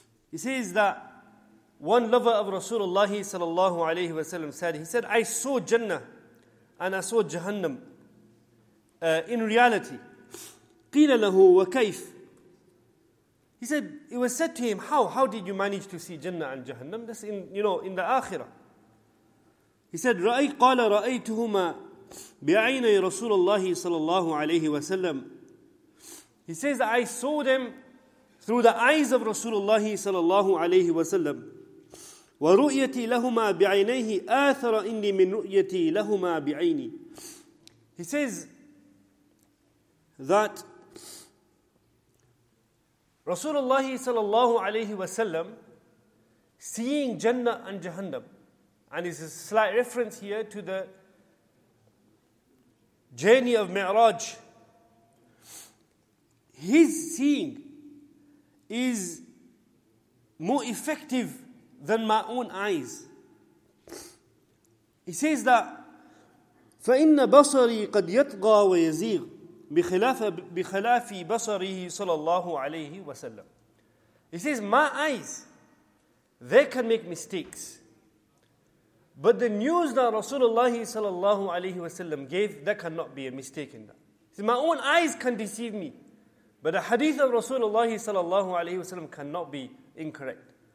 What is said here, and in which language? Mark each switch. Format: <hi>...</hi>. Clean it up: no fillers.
<en>He says that one lover of Rasulullah sallallahu alayhi wa sallam said, he said, I saw Jannah and I saw Jahannam in reality.</en> <ar>قِيلَ لَهُ وَكَيْفَ.</ar> <en>He said, it was said to him, how did you manage to see Jannah and Jahannam? That's in the Akhirah. He said,</en> <ar>قَالَ رَأَيْتُهُمَا بِعَيْنَي رَسُولَ اللَّهِ صَلَى اللَّهُ عَلَيْهِ وَسَلَّمْ.</ar> <en>He says, I saw them through the eyes of Rasulullah صلى الله عليه وسلم.</en> <ar>وَرُؤْيَتِي لَهُمَا بِعَيْنَيْهِ آثَرَ إِنِّي مِنْ رُؤْيَتِي لَهُمَا بِعَيْنِي.</ar> <en>He says that Rasulullah sallallahu alayhi wa sallam seeing Jannah and Jahannam, and it's a slight reference here to the journey of Mi'raj. His seeing is more effective than my own eyes. He says that</en> <ar>فَإِنَّ بَصَرِي قَدْ يَطْغَى وَيَزِيغُ بِخَلَافِ بَصَرِهِ صَلَى اللَّهُ عَلَيْهِ وَسَلَّمْ.</ar> <en>He says, my eyes, they can make mistakes. But the news that Rasulullah صلى الله عليه وسلم gave, there cannot be a mistake in that. He says, my own eyes can deceive me. But the hadith of Rasulullah صلى الله عليه وسلم cannot be incorrect.</en>